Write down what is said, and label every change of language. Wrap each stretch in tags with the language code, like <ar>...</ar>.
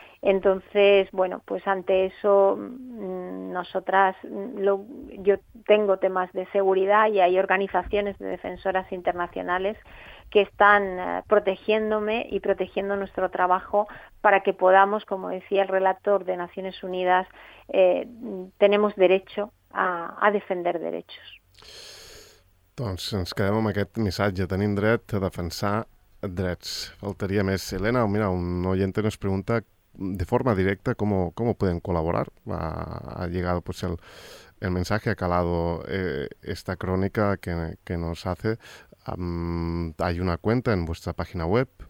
<es>Entonces, bueno, pues ante eso, nosotras, yo tengo temas de seguridad y hay organizaciones de defensoras internacionales que están protegiéndome y protegiendo nuestro trabajo para que podamos, como decía el relator de Naciones Unidas, tenemos derecho a defender derechos.</es> <ca>Doncs ens quedem amb aquest missatge. Tenim dret a defensar drets. Faltaria més.</ca> <es>Elena, mira, un oyente nos pregunta de forma directa cómo pueden colaborar. Ha llegado pues, el mensaje, ha calado esta crónica que nos hace. Hay una cuenta en vuestra página web.</es>